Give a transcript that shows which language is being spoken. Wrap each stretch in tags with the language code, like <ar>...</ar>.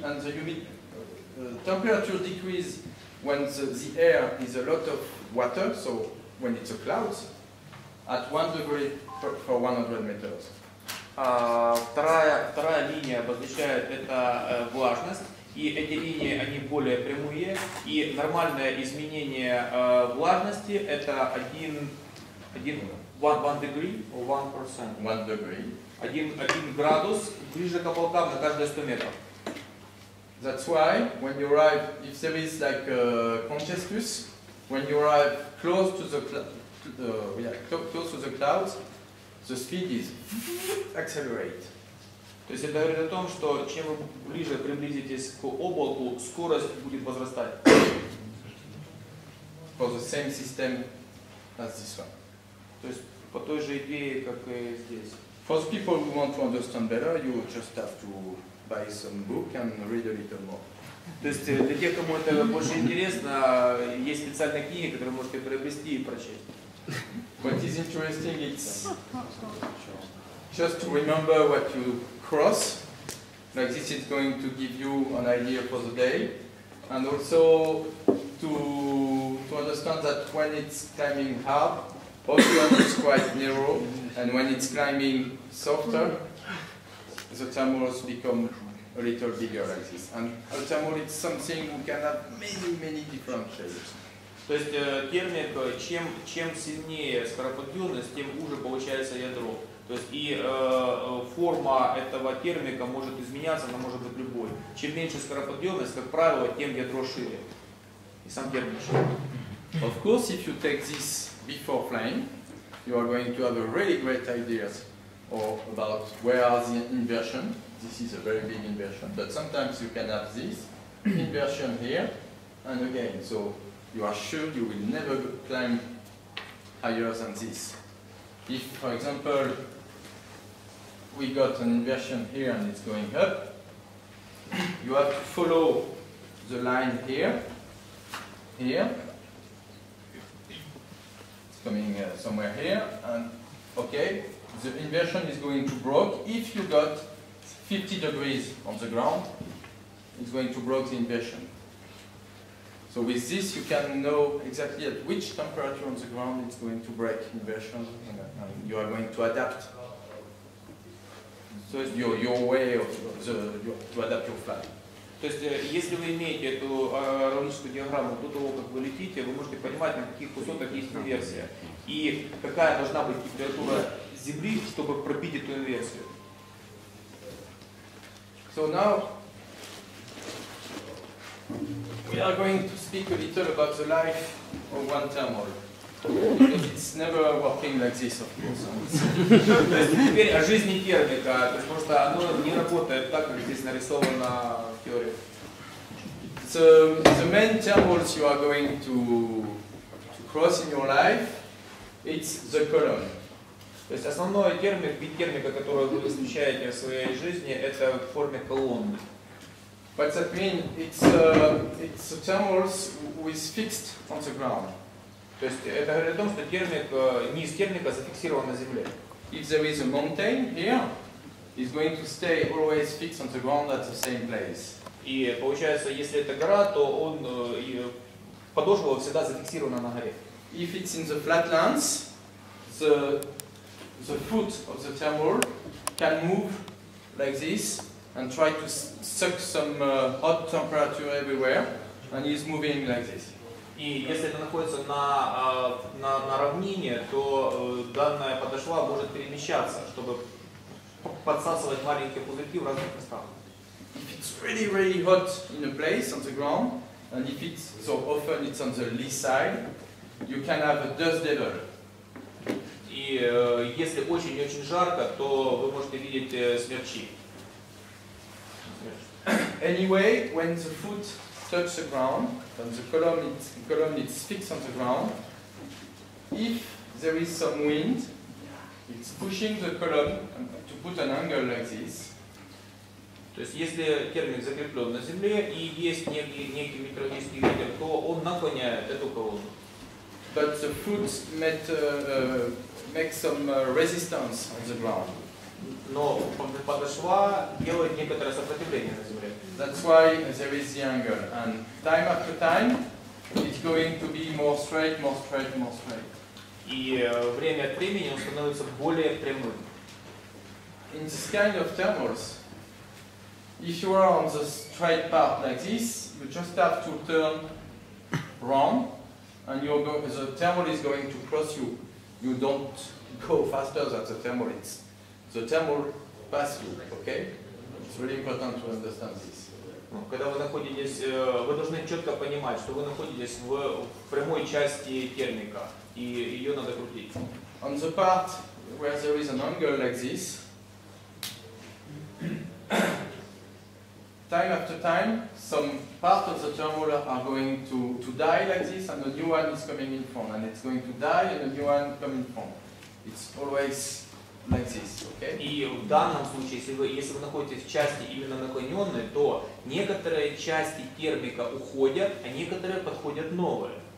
<en>And the temperature decreases when the air is a lot of water, so when it's a cloud, at 1 degree for 100 meters.</en> <ru>Вторая линия обозначает это влажность. И эти линии, они более прямые, и нормальное изменение влажности – это 1 градус ближе к облакам на каждые 100 метров.</ru> <en>That's why, when you arrive, if there is like a congestus, when you arrive close to the, close to the clouds, the speed is accelerate.</en> <ru>То есть это говорит о том, что чем вы ближе приблизитесь к облаку, скорость будет возрастать.</ru> <en>For the same system as this one.</en> <ru>То есть по той же идее, как и здесь.</ru> <en>For the people who want to understand better, you just have to buy some book and read a little more.</en> <ru>То есть для тех, кому это больше интересно, есть специальные книги, которые можете приобрести и прочесть.</ru> <en>What is interesting, it's just to remember what you cross, like this is going to give you an idea for the day, and also to understand that when it's climbing hard, often it's quite narrow, and when it's climbing softer, the thermals become a little bigger like this. And a thermal is something we can have many, many different shapes.</en> <ru>То есть термик, чем сильнее скороподъемность, тем уже получается ядро. То есть и форма этого термика может изменяться, она может быть любой. Чем меньше скороподъемность, как правило, тем ядро шире. И сам термик шире.</ru> <en>Of course, if you take this before flying, you are going to have a really great idea about where are the inversion. This is a very big inversion. But sometimes you can have this inversion here and again. So you are sure you will never climb higher than this. If, for example, we got an inversion here and it's going up, you have to follow the line here, it's coming somewhere here, and okay, the inversion is going to break. If you got 50 degrees on the ground, it's going to break the inversion. So with this you can know exactly at which temperature on the ground it's going to break inversion, and you are going to adapt. So it's your way of to adapt your flight.</en> <ru>То есть, если вы имеете эту аэродинамическую диаграмму до того, как вы летите, вы можете понимать, на каких высотах есть инверсия. И какая должна быть температура Земли, чтобы пробить эту инверсию.</ru> <en>So now we are going to speak a little about the life of one thermal. It's never working like this, of course.</en> <ru>Теперь о жизни термика, потому что оно не работает так, как здесь нарисовано в теории.</ru> <en>The main thermals you are going to cross in your life, it's the column.</en> <ru>То есть основной термик, вид термика, который вы встречаете в своей жизни, это в форме колонны.</ru> <en>But that means it's the thermals with fixed on the ground.</en> <ru>То есть это говорит о том, что термик, низ термика зафиксирован на земле.</ru> <en>If there is a mountain here, it's going to stay always fixed on the ground at the same place.</en> <ru>И получается, если это гора, то он подошва всегда зафиксирована на горе.</ru> <en>If it's in the flatlands, the foot of the thermal can move like this and try to suck some hot temperature everywhere, and is moving like this.</en> <ru>И если это находится на равнине, то данная подошва может перемещаться, чтобы подсасывать маленькие пузырьки в разных местах.</ru> <en>If it's really, really hot in a place on the ground, and if it's so often it's on the lee side, you can have a dust devil.</en> <ru>И если очень-очень жарко, то вы можете видеть смерчи.</ru> <en>Anyway, when the foot touch the ground, and the column is fixed on the ground, if there is some wind, it's pushing the column to put an angle like this.</en> <ru>То есть если термик закреплен на земле и есть некий микронический ветер, то он наклоняет эту колонну.</ru> <en>But the foot makes some resistance on the ground.</en> <ru>Но подошва делает некоторое сопротивление на земле.</ru> <en>That's why there is the angle, and time after time, it's going to be more straight, more straight, more straight.</en> <ru>И время от времени он становится более прямым.</ru> <en>In this kind of thermals, if you are on the straight part like this, you just have to turn wrong, and the thermal is going to cross you. You don't go faster than the thermal. The thermal pass you. Okay? It's really important to understand this.</en> <ru>Когда вы находитесь, вы должны четко понимать, что вы находитесь в прямой части термика, и ее надо крутить.</ru> <en>On the part where there is an angle like this, time after time, some part of the thermal are going to die like this, and a new one is coming in front, and it's going to die, and a new one coming in front. It's always like this, okay?</en> <ru>И в данном случае, если вы находитесь в части именно наклоненной, то некоторые части термика уходят, а некоторые подходят новые.</ru>